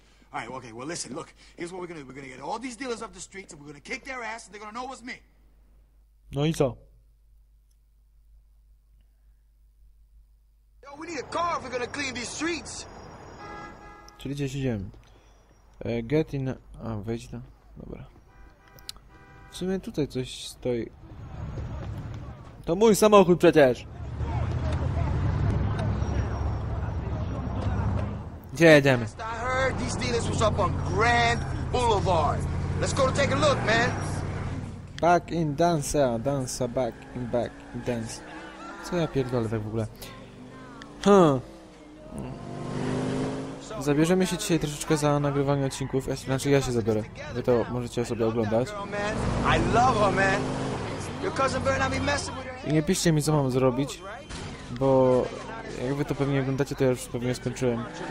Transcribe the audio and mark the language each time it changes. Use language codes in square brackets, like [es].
[en] All right, okay, well listen, look, here's what we're gonna do. We're gonna get all these dealers up the streets and we're gonna kick their ass and they're gonna know it was me. No, he's all. Yo, we need a car if we're gonna clean these streets. [pl] Czyli gdzie siedziałem? [en] Get in... [pl] A, wejdź tam. Dobra. W sumie tutaj coś stoi. To mój samochód przecież! Gdzie jedziemy? [en] These dealers was up on Grand Boulevard. Let's go to take a look, man. Back in dance, dance, back in dance. [pl] Co ja pierdolę tak w ogóle? Zabierzemy się dzisiaj troszeczkę za nagrywanie odcinków. Znaczy ja się zabiorę. Wy to możecie sobie oglądać. I nie piszcie mi, co mam zrobić, bo... Jak wy to pewnie oglądacie, to ja już pewnie skończyłem.